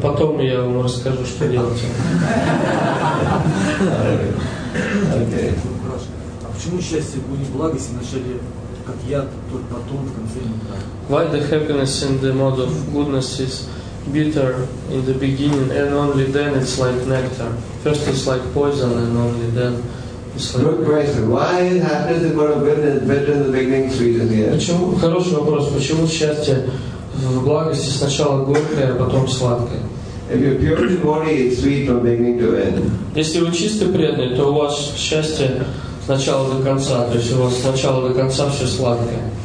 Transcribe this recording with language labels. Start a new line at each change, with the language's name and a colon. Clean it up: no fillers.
Russian: Потом я вам расскажу, что делать. Почему счастье будет благо, если вначале, как я, только потом, в конце не так?
English: Why the happiness in the mode of goodness is bitter in the beginning, and only then it's like nectar? First it's like poison, and only then it's like... Good question. Why is happiness in the mode of goodness bitter in the beginning, sweet in the end?
Russian: Почему? Хороший вопрос. Почему счастье в благости сначала горькое, а потом сладкое?
English: If you're pure devotee, it's sweet from beginning to end.
Russian: Если вы чистый преданный, то у вас счастье сначала до конца, то есть у вас сначала до конца все сладкое.